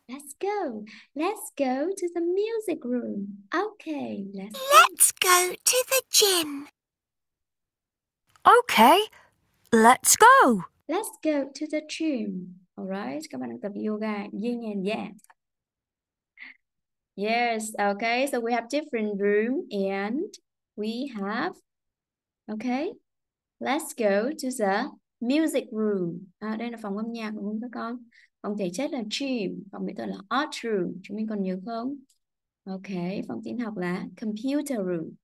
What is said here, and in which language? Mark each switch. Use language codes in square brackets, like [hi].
[en] Let's go. Let's go to the music room. Okay, let's go to the gym. Okay, let's go. Let's go to the gym. [vi] All right, các bạn đang tập yoga, yin and yang. [en] Yes, okay, so we have different room and we have, okay, let's go to the Music room. [vi] À, đây là phòng âm nhạc đúng không các con? Phòng thể chất là gym, phòng mỹ thuật là art room. Chúng mình còn nhớ không? Ok, phòng tin học là computer room.